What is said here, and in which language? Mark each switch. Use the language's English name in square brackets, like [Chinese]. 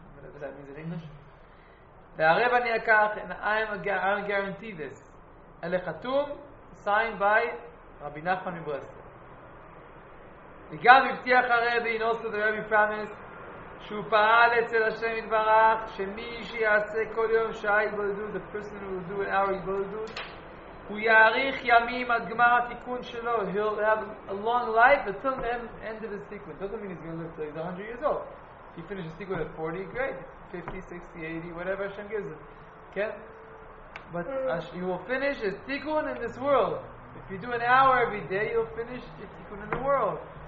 [English] What that means in English. [Hebrew] והרב אני אקח, [English] and I'm guarantee this. [Hebrew] אלה חתום, [English] signed by [Hebrew] רבי נחמן מברסלב. וגם הבטיח הרבי, [English] and also the rabbi promised, [Hebrew] שהוא פעל אצל השם יתברך, שמי שיעשה כל יום שעה יתבודדות, [English] the person who will do an hour [Hebrew] יתבודדות, הוא יאריך ימים עד גמר התיקון שלו. [English] He'll have a long life until the end of his tikkun. Doesn't mean he's going to live till he's 100 years old. He finishes tikkun at 40, great. 50, 60, 80, whatever Hashem gives him. Okay? But you will finish a tikkun in this world. If you do an hour every day, you'll finish a tikkun in the world.